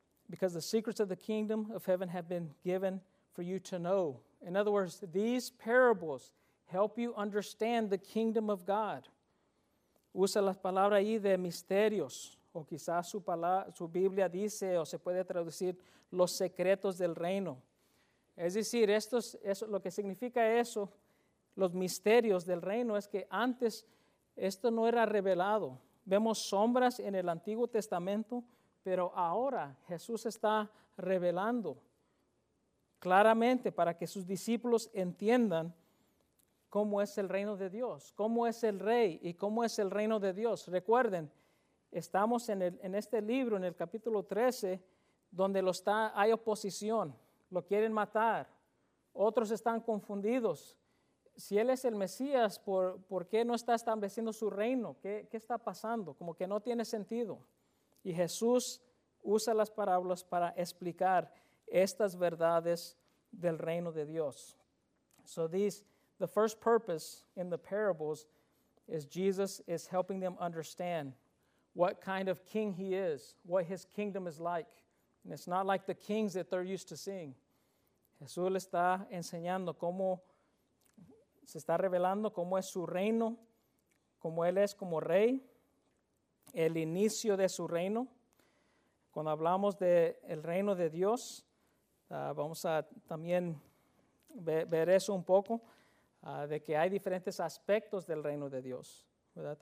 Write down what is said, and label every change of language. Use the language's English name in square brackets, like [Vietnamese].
[English] Because the secrets of the kingdom of heaven have been given for you to know. In other words, these parables help you understand the kingdom of God. [Spanish] Usa la palabra ahí de misterios, o quizás su Biblia dice, o se puede traducir, los secretos del reino. Es decir, lo que significa eso, los misterios del reino, es que antes esto no era revelado. Vemos sombras en el Antiguo Testamento, pero ahora Jesús está revelando claramente para que sus discípulos entiendan cómo es el reino de Dios, cómo es el rey y cómo es el reino de Dios. Recuerden, estamos en este libro, en el capítulo 13, donde hay oposición, lo quieren matar, otros están confundidos. Si Él es el Mesías, ¿por qué no está estableciendo su reino? ¿Qué está pasando? Como que no tiene sentido. Y Jesús usa las parábolas para explicar estas verdades del reino de Dios. [English] So these The first purpose in the parables is Jesus is helping them understand what kind of king he is, what his kingdom is like. And it's not like the kings that they're used to seeing. [Spanish] Jesús le está enseñando cómo se está revelando cómo es su reino, cómo él es como rey, el inicio de su reino. Cuando hablamos de el reino de Dios, vamos a también ver eso un poco, de que hay diferentes aspectos del reino de Dios, ¿verdad?